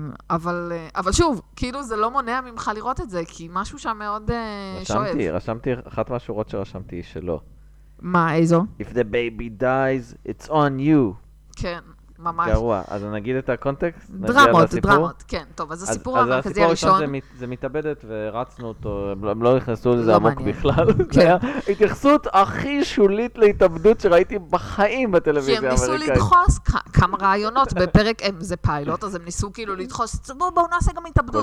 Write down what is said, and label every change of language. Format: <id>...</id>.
<he>אבל שוב, כאילו זה לא מונע ממך לראות את זה, כי משהו שם מאוד שואב. רשמתי, אחת מהשורות שרשמתי שלא. מה, איזו?</he> <en>If the baby dies, it's on you.</en> <he>כן, ממש. גרוע. אז נגיד את הקונטקסט? דרמות, דרמות. כן, טוב, אז הסיפור המרכזי הראשון. אז הסיפור הראשון זה מתאבדת ורצנו אותו, הם לא נכנסו לזה עמוק בכלל. זה התייחסות הכי שולית להתאבדות שראיתי בחיים בטלוויזיה האמריקאית. כי הם ניסו לדחוס כמה רעיונות בפרק, זה פיילוט, אז הם ניסו כאילו לדחוס, בואו נעשה גם התאבדות.</he>